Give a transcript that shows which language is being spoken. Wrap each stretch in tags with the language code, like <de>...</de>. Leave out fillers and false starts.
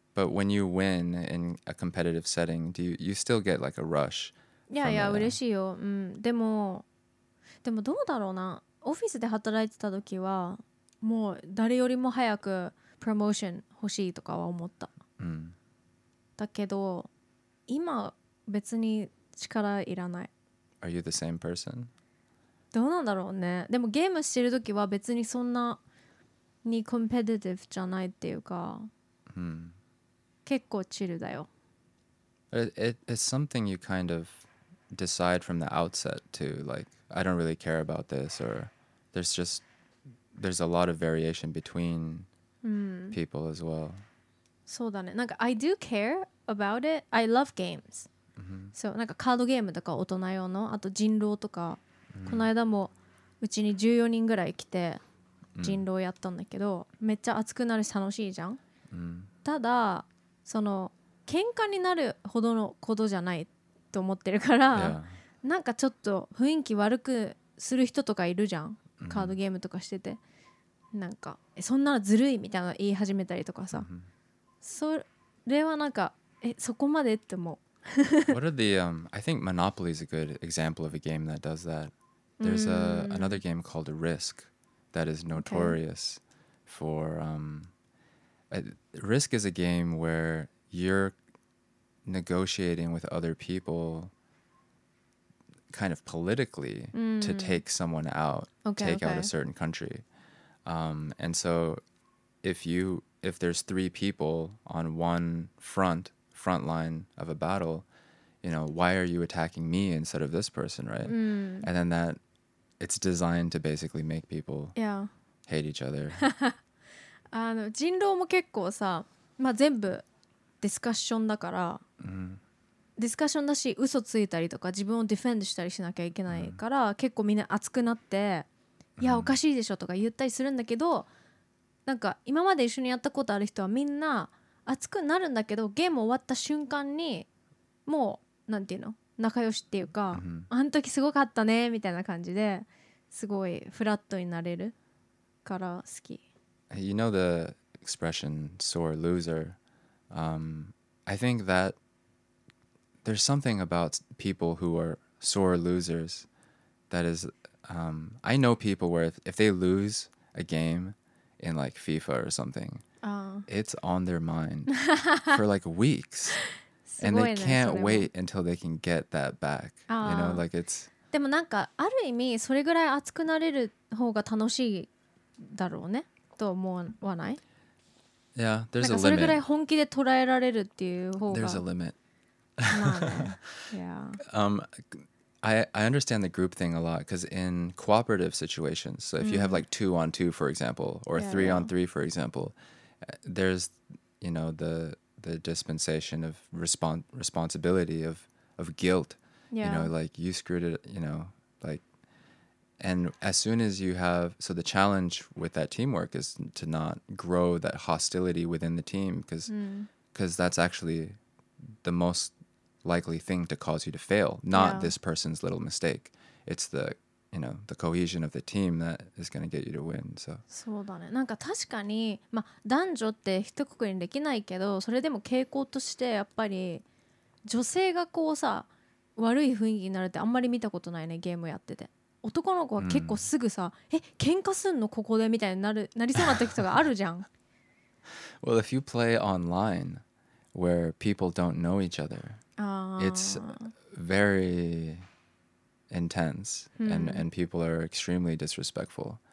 <en>But when you win in a competitive setting, do you still get like a rush? Yeah, yeah,</en> <ja>嬉しいよ。うん。でもどうだろうな。オフィスで働いてた時は、もう誰よりも早くプロモーション欲しいとかは思った。うん。だけど、今別に力いらない。</ja> <en>Are you the same person?</en> <ja>どうなんだろうね。でもゲームしてるときは別にそんなにコンペティティブじゃないっていうか、 hmm. 結構チルだよ。</ja> <en>It's something you kind of decide from the outset too. Like, I don't really care about this, or there's a lot of variation between people as well.</en> <ja>そうだね。なんか</ja> <en>I do care about it. I love games.</en> <ja>So, なんかカードゲームとか大人用の、あと人狼とか。この間もうちに14人ぐらい来て人狼やったんだけど、めっちゃ熱くなるし楽しいじゃん。ただその喧嘩になるほどのことじゃないと思ってるから、なんかちょっと雰囲気悪くする人とかいるじゃん、カードゲームとかしてて、なんかそんなのずるいみたいなの言い始めたりとかさ、それはなんかそこまでって思う。</ja> <en>What are the, I think Monopoly is a good example of a game that does that. There's another game called Risk that is notorious for, Risk is a game where you're negotiating with other people kind of politically to take someone out, take out a certain country. And so if there's three people on one front line of a battle, you know, why are you attacking me instead of this person, right? And then that, it's designed to basically make people hate each other.</en> <ja>あの、人狼も結構さ、まあ全部ディスカッションだから、うん、ディスカッションだし嘘ついたりとか自分をディフェンドしたりしなきゃいけないから、うん、結構みんな熱くなって、いやおかしいでしょとか言ったりするんだけど、なんか今まで一緒にやったことある人はみんな熱くなるんだけど、ゲーム終わった瞬間にもうなんていうの、仲良しっていうか、うん、あの時すごかったねみたいな感じですごいフラットになれるから好き。</ja> <en>You know the expression sore loser、I think that there's something about people who are sore losers that is、I know people where if they lose a game in like FIFA or something、it's on their mind for like weeks and they can't wait until they can get that back、you know, like it's、</en> <ja>でもなんかある意味それぐらい熱くなれる方が楽しいだろうねと思わない？</ja> <en>Yeah, there's a limit.</en> <ja>なんかそれぐらい本気で捉えられるっていう方が、</ja> <en>There's a limit. Yeah. I understand the group thing a lot because in cooperative situations, so if you have like 2-on-2 for example, or 3-on-3 for example, there's, you know, the dispensation of responsibility of guilt. Yeah. You know, like you screwed it, you know, like, and as soon as you have, so the challenge with that teamwork is to not grow that hostility within the team, because that's actually the most likely thing to cause you to fail, not this person's little mistake. It's the, you know, the cohesion of the team that is going to get you to win. So.</en> <ja>そうだね。なんか確かに、まあ男女って一括りにできないけど、それでも傾向としてやっぱり女性がこうさ、悪い雰囲気になるってあんまり見たことないね、ゲームやってて。男の子は結構すぐさ、喧嘩すんのここでみたいになる、なりそうな時とかあるじゃん。</ja> <en>Well, if you play online where people don't know each other, it's very intense, and people are extremely disrespectful.</en>